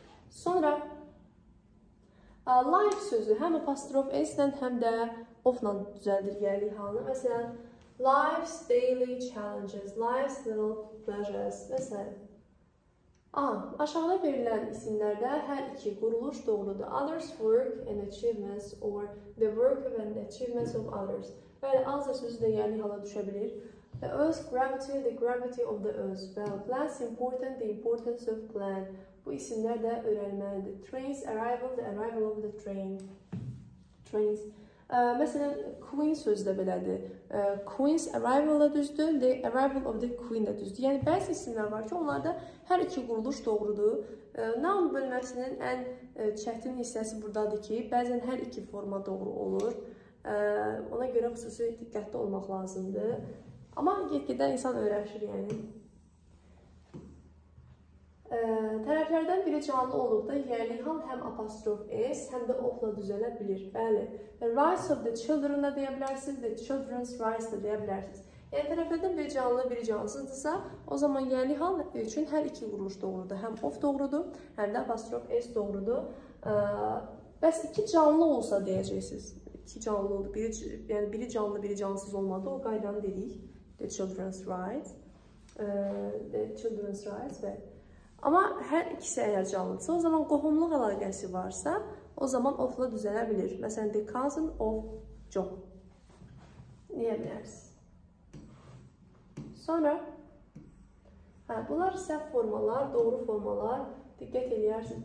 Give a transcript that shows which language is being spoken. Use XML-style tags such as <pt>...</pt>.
<az>Sonra, life sözü həm apostrof S ilə, həm də of ilə düzəldir yerli halını.</az> <en>Məsələn, life's daily challenges, life's little pleasures, vesaire.</en> <az>Aşağıda verilən isimlərdə hər iki quruluş doğrudur.</az> <en>Others work and achievements or the work and achievements of others.</en> <az>Bəli, others sözü də yerli hala düşə bilir.</az> <en>The earth's gravity, the gravity of the earth. Well, plan's important, the importance of plan.</en> <az>Bu isimlər də öyrənməlidir.</az> <en>Train's arrival, the arrival of the train. Train's.</en> <az>Məsələn, Queen sözü də belədir.</az> <en>Queen's arrival</en> <az>da düzdür,</az> <en>the arrival of the Queen</en> <az>da düzdür. Yəni, bəzi isimlər var ki, onlarda hər iki quruluş doğrudur. Noun bölməsinin ən çətin hissəsi buradadır ki, bəzən hər iki forma doğru olur. Ona görə xüsusi diqqətli olmaq lazımdır. Amma get-gedə insan öyrəşir, yəni. Tərəflərdən biri canlı olduqda yerli hal həm apostrof S, həm də ofla düzələ bilir.</az> <en>Bəli, the rights of the children da</en> <az>deyə bilərsiniz,</az> <en>the children's rights da deyə bilərsiniz.</en> <az>Yəni, tərəflərdən biri canlı, biri cansızdırsa, o zaman yerli hal üçün hər iki quruluş doğrudur. Həm of doğrudur, həm də apostrof S doğrudur. Bəs iki canlı olsa deyəcəksiniz, iki canlı, biri canlı, biri cansız olmadı, o qaydanı dedik.</az> <en>The children's rights, the children's rights və...</en> <az>Amma hər ikisi əgər canlıdırsa, o zaman qohumluq əlaqəsi varsa, o zaman ofla düzələ bilir.</az> <en>Məsələn, the cousin of John.</en> <az>Niyə bilərsiniz? Sonra, bunlar səhv formalar, doğru formalar, diqqət edərsiniz.</az>